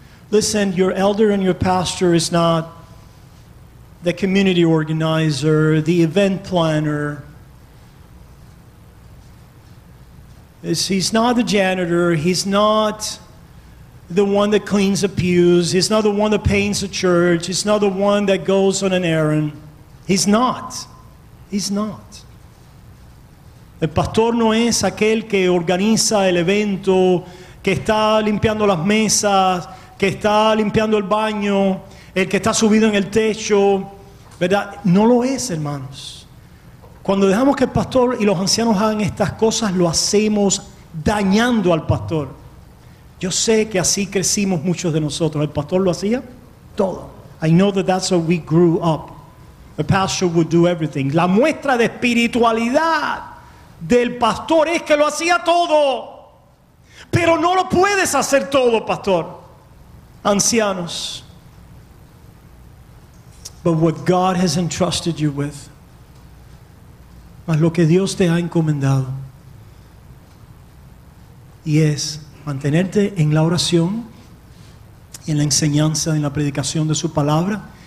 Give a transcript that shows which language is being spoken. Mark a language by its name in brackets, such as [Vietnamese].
[English] Listen, your elder and your pastor is not the community organizer, the event planner. He's not the janitor. He's not the one that cleans the pews. He's not the one that paints the church. He's not the one that goes on an errand. He's not. He's not. [Spanish] El pastor no es aquel que organiza el evento, que está limpiando las mesas, que está limpiando el baño, el que está subido en el techo. ¿Verdad? No lo es, hermanos. Cuando dejamos que el pastor y los ancianos hagan estas cosas, lo hacemos dañando al pastor. Yo sé que así crecimos muchos de nosotros. ¿El pastor lo hacía? Todo. [English] I know that that's how we grew up. The pastor would do everything. [Spanish] La muestra de espiritualidad del pastor es que lo hacía todo. Pero no lo puedes hacer todo, pastor. Ancianos. [English] But what God has entrusted you with, [Spanish] mas lo que Dios te ha encomendado, y es mantenerte en la oración, en la enseñanza, en la predicación de su palabra.